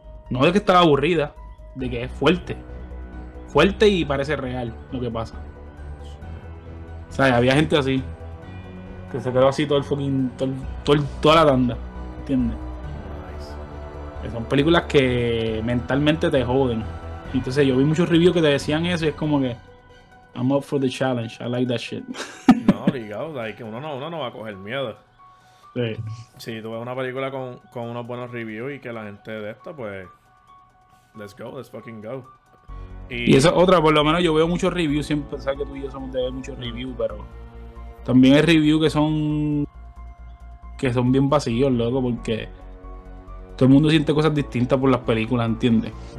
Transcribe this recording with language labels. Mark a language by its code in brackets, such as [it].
[es] No de que estaba aburrida, de que es fuerte. Fuerte y parece real lo que pasa. O sea, había gente así. Que se quedó así todo el fucking. Toda la tanda. ¿Entiendes? Que son películas que mentalmente te joden. Entonces yo vi muchos reviews que te decían eso y es como que. [en] I'm up for the challenge. I like that shit. [es] No, obligado, hay que uno no va a coger miedo. Si tú ves una película con unos buenos reviews y que la gente de esto, pues [en] let's go, let's [es] Y esa [en] fucking go. [es] otra, por lo menos yo veo muchos reviews, siempre pensaba que tú y yo somos de ver muchos reviews, pero también hay reviews que son bien vacíos, loco, porque todo el mundo siente cosas distintas por las películas, ¿entiendes?